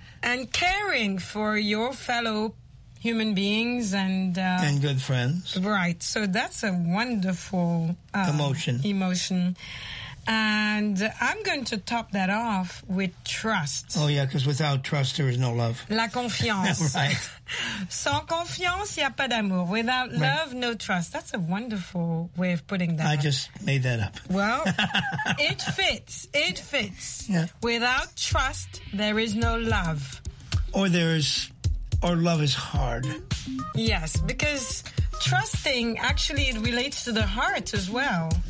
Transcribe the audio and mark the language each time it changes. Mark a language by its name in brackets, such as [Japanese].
[English] And caring for your fellow human beings and good friends. Right. So that's a wonderful emotion. And I'm going to top that off with trust. Oh, yeah, because without trust, there is no love. [French] La confiance. [English] Right. [French] Sans confiance, il n'y a pas d'amour. [English] Without love, no trust. That's a wonderful way of putting that. I just made that up. Well, it fits. It fits. Yeah. Without trust, there is no love. Or love is hard. Yes, because trusting, actually it relates to the heart as well.